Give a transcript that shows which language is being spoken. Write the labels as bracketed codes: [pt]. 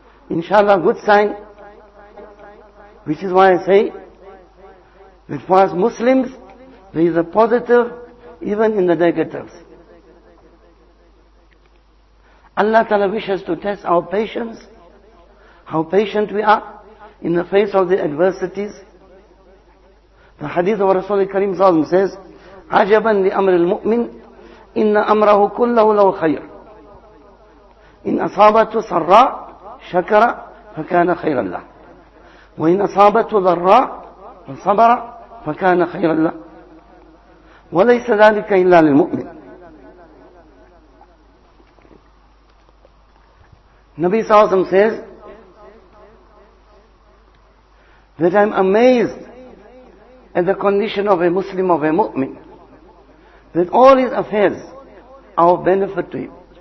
[en] Inshallah, good sign. Which is why I say, that for us Muslims, there is a positive even in the negatives. Allah Ta'ala wishes to test our patience, how patient we are in the face of the adversities. The hadith of Rasulullah Kareem Sallallahu Alaihi Wasallam says, [ar] عَجَبًا لِأَمْرِ الْمُؤْمِنِ إِنَّ أَمْرَهُ كُلَّهُ لَوْ خَيْرٌ إِنْ أَصَابَتُ سَرَّا شَكَرَ فَكَانَ خَيْرًا لَهُ وَإِنْ أَصَابَتُ ضَرَّا فَصَبَرَ فَكَانَ خَيْرًا لَهُ وَلَيْسَ ذَلِكَ إِلَّا لِلْمُؤْمِنِ. [en] Nabi Sallallahu Alaihi Wasallam says that I'm amazed at the condition of a Muslim, of a mu'min, that all his affairs are of benefit to him.